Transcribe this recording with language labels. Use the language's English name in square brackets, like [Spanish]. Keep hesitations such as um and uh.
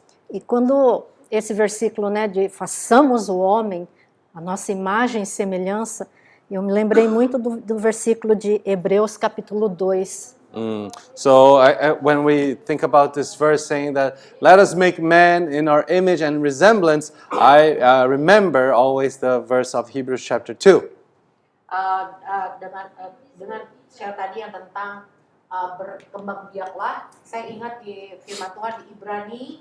[Portuguese] E quando esse versículo, né, de façamos o homem a nossa imagem e semelhança, eu me lembrei muito do, do versículo de Hebreus capítulo 2. Mm. [English] So I, I, uh, when we think about this verse saying that let us make man in our image and resemblance, I uh, remember always the verse of Hebrews chapter 2. [Indonesian] Uh, uh, dengan uh, dengan saya tadi yang tentang uh, berkembang biaklah, saya ingat di firman Tuhan di Ibrani